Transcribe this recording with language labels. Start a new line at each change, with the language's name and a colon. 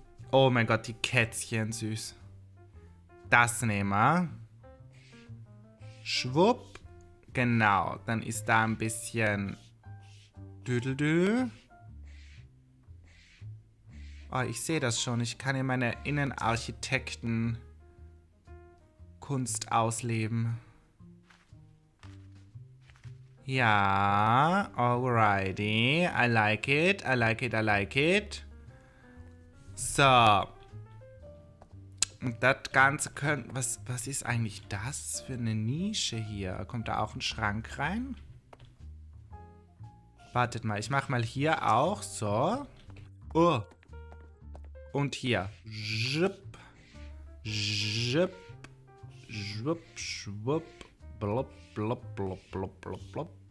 German: Oh mein Gott, die Kätzchen, süß. Das nehmen wir. Schwupp. Genau, dann ist da ein bisschen... Düdeldü. Oh, ich sehe das schon. Ich kann hier meine Innenarchitekten-Kunst ausleben.
English: Ja, alrighty, I like it, I like it, I like it.
German: So. Und das Ganze könnte, was ist eigentlich das für eine Nische hier? Kommt da auch ein Schrank rein? Wartet mal, ich mach mal hier auch, so. Oh. Und hier. Schwupp, schwupp, schwupp, schwupp, blub, blub, blub, blub, blub, blub.